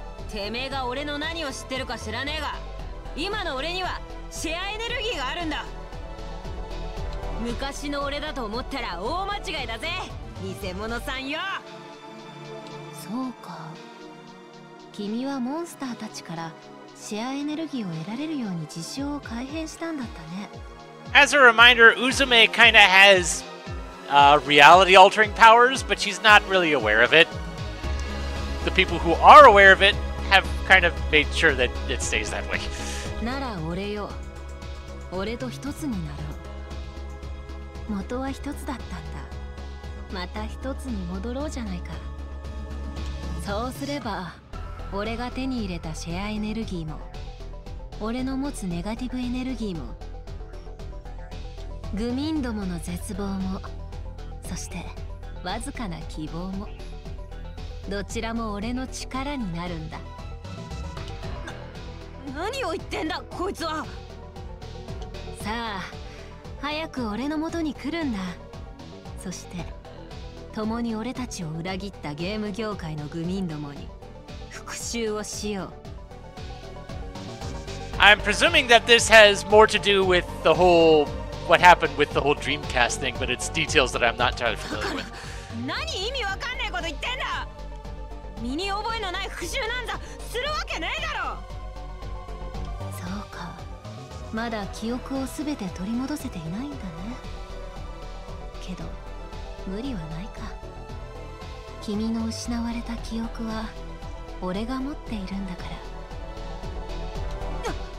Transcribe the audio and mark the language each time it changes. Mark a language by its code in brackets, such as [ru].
[ja] てめえが俺の何を知ってるか知らねえが、今の俺にはシェアエネルギーがあるんだ。昔の俺だと思ったら大間違いだぜ、偽物さんよ。そうか、君はモンスターたちからシェアエネルギーを得られるように事象を改変したんだったね。 [en] As a reminder, Uzume kinda has reality altering powers, but she's not really aware of itThe people who are aware of it have kind of made sure that it stays that way. [ja] なら俺よ。俺と一つになろう。元は一つだったんだ。また一つに戻ろうじゃないか。そうすれば、俺が手に入れたシェアエネルギーも、俺の持つネガティブエネルギーも、愚民どもの絶望も、そしてわずかな希望も。どちらも俺の力になるんだ。何を言ってんだこいつは。さあ早く俺の元に来るんだ。そして共に俺たちを裏切ったゲーム業界の愚民どもに復讐をしよう。 [en] I'm presuming that this has more to do with the whole what happened with the whole Dreamcast thing, but it's details that I'm not entirely familiar with. [ja] 何意味わかんないこと言ってんだ。身に覚えのない復讐なんざするわけねえだろ。そうか、まだ記憶をすべて取り戻せていないんだね。けど無理はないか。君の失われた記憶は俺が持っているんだから。